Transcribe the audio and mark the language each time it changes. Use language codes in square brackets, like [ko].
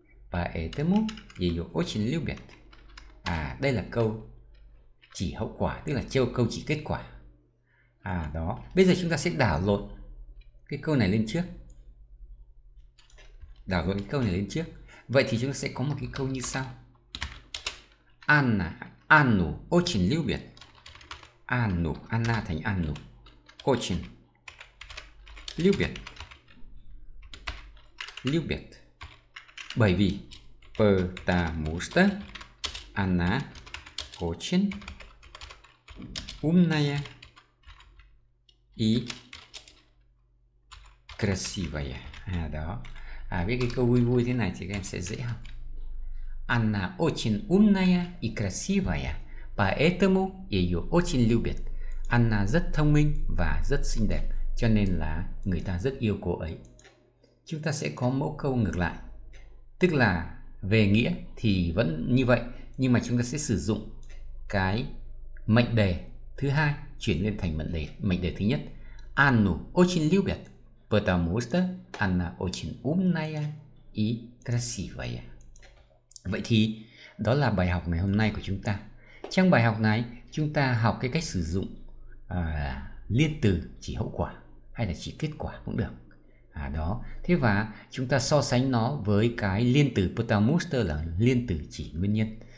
[ru] Поэтому её очень любят. [vi] Đây là câu chỉ hậu quả, tức là câu chỉ kết quả. Đó. Bây giờ chúng ta sẽ đảo lộn cái câu này lên trước. Đảo lộn câu này lên trước. Vậy thì chúng ta sẽ có một cái câu như sau. [ru] Anna очень любит. Anna thành Anna. Очень любит. Любит. [vi] Bởi vì [ru] потому что Anna очень умная и красивая. [vi] Đó. Với cái câu vui vui thế này thì các em sẽ dễ học. [ru] Anna очень умная и красивая, поэтому её очень любят. [vi] Anna rất thông minh và rất xinh đẹp, cho nên là người ta rất yêu cô ấy. Chúng ta sẽ có mẫu câu ngược lại, tức là về nghĩa thì vẫn như vậy, nhưng mà chúng ta sẽ sử dụng cái mệnh đề thứ hai chuyển lên thành mệnh đề thứ nhất. [ru] Anna очень любят, потому что она очень умная и красивая. [vi] Vậy thì đó là bài học ngày hôm nay của chúng ta. Trong bài học này chúng ta học cái cách sử dụng liên từ chỉ hậu quả hay là chỉ kết quả cũng được. Đó. Thế và chúng ta so sánh nó với cái liên từ потому что là liên từ chỉ nguyên nhân.